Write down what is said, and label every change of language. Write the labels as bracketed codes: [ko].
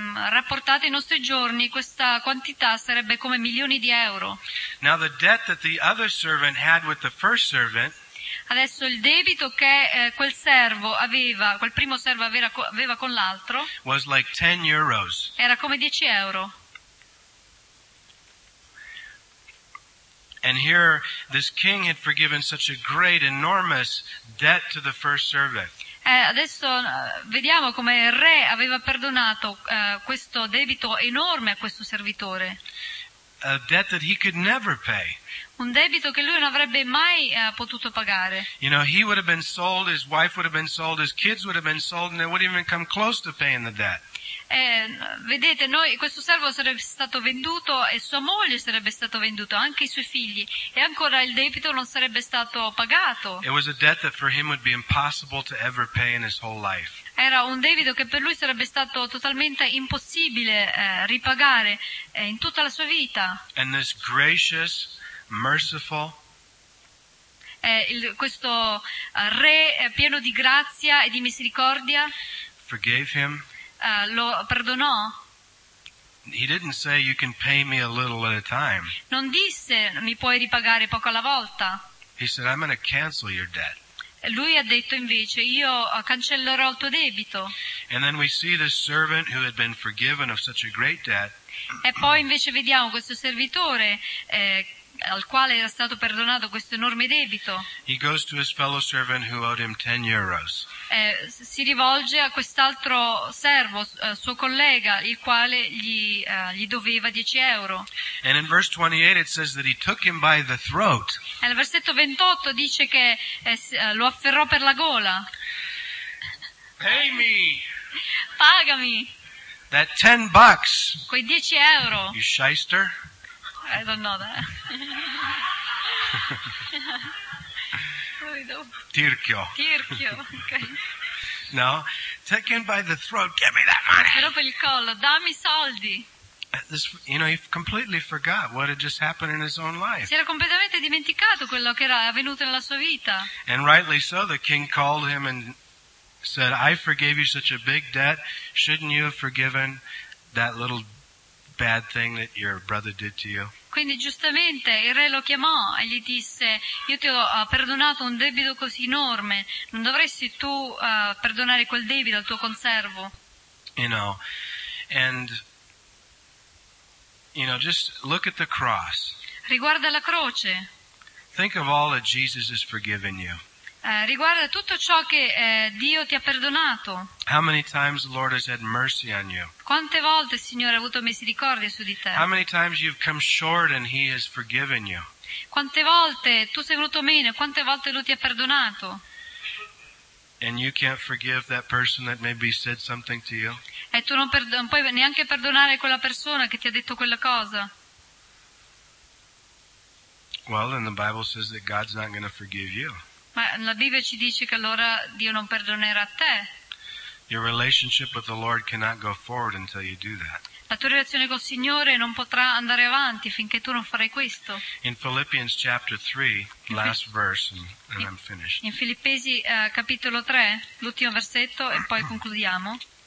[it] Rapportato ai nostri giorni, questa quantità sarebbe come milioni di euro. [en] Now the debt that the other servant had with the first servant. [it] Adesso il debito che quel primo servo aveva con l'altro [en] was like 10 euros. [it] Era come 10 euro. [en] And here this king had forgiven such a great, enormous debt to the first servant. [it] Adesso vediamo come il re aveva perdonato questo debito enorme a questo servitore. [en] A debt that he could never pay. [it] Un debito che lui non avrebbe mai potuto pagare. [en] You know, he would have been sold, his wife would have been sold, his kids would have been sold, and they wouldn't even come close to paying the debt. [it] Vedete, questo servo sarebbe stato venduto e sua moglie sarebbe stato venduta, anche i suoi figli, e ancora il debito non sarebbe stato pagato. [en] It was a debt that for him would be impossible to ever pay in his whole life. [it] Era un debito che per lui sarebbe stato totalmente impossibile ripagare in tutta la sua vita. [en] And this gracious, merciful. [it] Questo re pieno di grazia e di misericordia. [en] Forgave him. [it] Lo perdonò. [en] He didn't say you can pay me a little at a time. [it] Non disse mi puoi ripagare poco alla volta. [en] He said I'm going to cancel your debt. [it] Lui ha detto invece io cancellerò il tuo debito. [en] And then we see this servant who had been forgiven of such a great debt. [it] E poi invece vediamo questo servitore al quale era stato perdonato questo enorme debito. [en] He goes to his fellow servant who owed him 10 euros. [it] Si rivolge a quest'altro servo, suo collega, il quale gli doveva 10 euro. [en] And in verse 28 it says that he took him by the throat. [it] E nel versetto 28 dice che lo afferrò per la gola. [en] Pay me. [it] Pagami. [en] That 10 bucks. [it] Quei 10 euro. [en] You shyster. I don't know that. [it] Tirchio. Tirchio. Okay. [en] No, taken by the throat. Give me that money. [it] Però per il collo, dammi soldi. [en] This, you know, he completely forgot what had just happened in his own life. [it] Si era completamente dimenticato quello che era avvenuto nella sua vita. [en] And rightly so, the king called him and said, "I forgave you such a big debt. Shouldn't you have forgiven that little bad thing that your brother did to you?" [it] Quindi giustamente il re lo chiamò e gli disse: io ti ho perdonato un debito così enorme, non dovresti tu perdonare quel debito al tuo conservo? [en] You know, And, you know, just look at the cross. [it] Riguarda la croce. [en] Think of all that Jesus has forgiven you. [it] Riguarda tutto ciò che Dio ti ha perdonato. [en] How many times the Lord has had mercy on you? [it] Quante volte il Signore ha avuto misericordia su di te? [en] How many times you've come short and He has forgiven you? [it] Quante volte tu sei venuto meno? Quante volte Lui ti ha perdonato? [en] And you can't forgive that person that maybe said something to you? [it] E tu non puoi neanche perdonare quella persona che ti ha detto quella cosa? [en] Well, then the Bible says that God's not going to forgive you. [it] Ma la Bibbia ci dice che allora Dio non perdonerà te. [en] Your relationship with the Lord cannot go forward until you do that. [it] La tua relazione col Signore non potrà andare avanti finché tu non farai questo. [en] In Philippians chapter 3, last verse, and I'm finished. [it] In Filippesi capitolo 3, l'ultimo versetto, e poi concludiamo.